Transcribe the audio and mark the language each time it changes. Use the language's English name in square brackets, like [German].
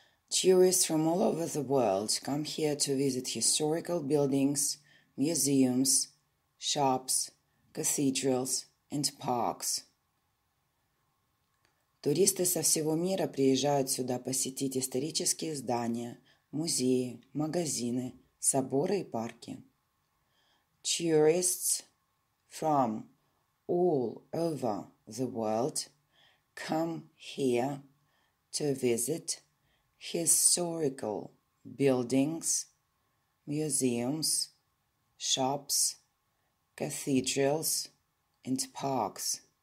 [English] Tourists from all over the world come here to visit historical buildings, museums, shops, cathedrals, and parks. [Russian] Туристы со всего мира приезжают сюда посетить исторические здания, музеи, магазины, соборы и парки. [English] Tourists from all over the world come here to visit historical buildings, museums, shops, cathedrals, and parks.